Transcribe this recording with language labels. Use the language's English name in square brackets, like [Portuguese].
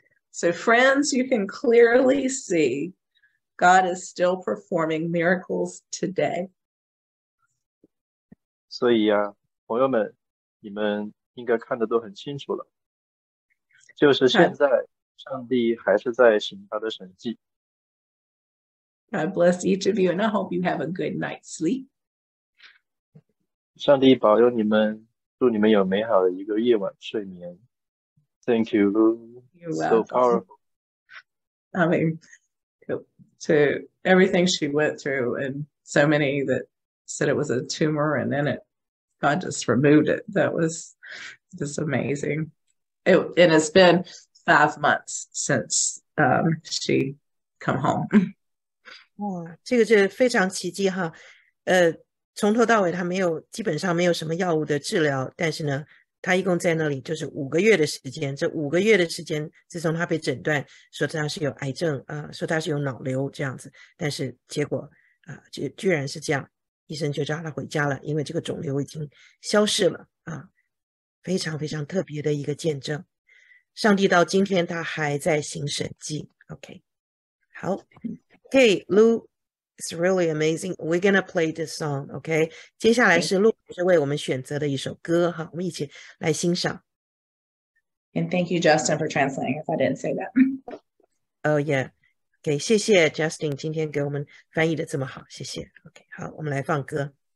[English] So friends, you can clearly see God is still performing miracles today. [Chinese] 所以啊，朋友们，你们应该看得都很清楚了。就是现在，上帝还是在行他的神迹。 [English] God bless each of you, and I hope you have a good night's sleep. [Chinese] 上帝保佑你们，祝你们有美好的一个夜晚睡眠。 [English] Thank you, Lou. So powerful. I mean, to everything she went through, and so many that said it was a tumor, and then it, God just removed it. That was just amazing. It has been 5 months since she come home. [Chinese] 哇，这个是非常奇迹哈。从头到尾他没有，基本上没有什么药物的治疗，但是呢，他一共在那里就是五个月的时间。这五个月的时间，自从他被诊断说他是有癌症，说他是有脑瘤这样子，但是结果居然是这样，医生就叫他回家了，因为这个肿瘤已经消失了啊，非常非常特别的一个见证。上帝到今天他还在行神迹。 [English] OK， 好 ，OK， Lou， it's really amazing. We're gonna play this song. OK， [Chinese] 接下来是 Lou。是为我们选择的一首歌，我们一起来欣赏。 [English] And thank you, Justin, for translating if I didn't say that. Oh, yeah. [Chinese] Okay, 谢谢 Justin 今天给我们翻译的这么好，谢谢。 Okay, 好，我们来放歌。